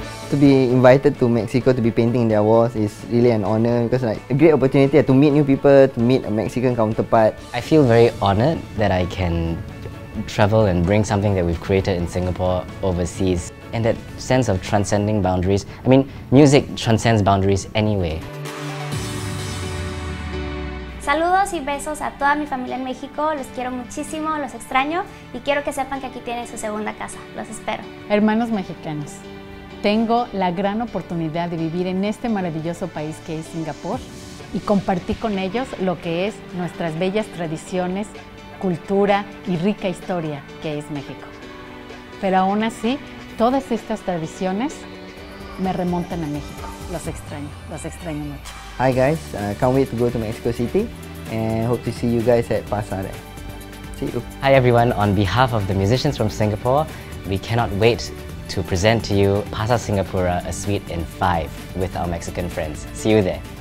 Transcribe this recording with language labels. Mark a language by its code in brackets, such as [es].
[en] To be invited to Mexico to be painting in their walls is really an honor, because like a great opportunity to meet new people, to meet a Mexican counterpart. I feel very honored that I can travel and bring something that we've created in Singapore overseas. And that sense of transcending boundaries, I mean, music transcends boundaries anyway. [es] Saludos y besos a toda mi familia en México. Los quiero muchísimo, los extraño. Y quiero que sepan que aquí tienen su segunda casa. Los espero. Hermanos mexicanos. Tengo la gran oportunidad de vivir en este maravilloso país que es Singapur y compartir con ellos lo que es nuestras bellas tradiciones, cultura y rica historia que es México. Pero aún así, todas estas tradiciones me remontan a México. Los extraño mucho. [en] Hi guys, can't wait to go to Mexico City and hope to see you guys at Pasare. See you. Hi everyone, on behalf of the musicians from Singapore, we cannot wait to present to you Pasar Singapura, a suite in 5 with our Mexican friends. See you there.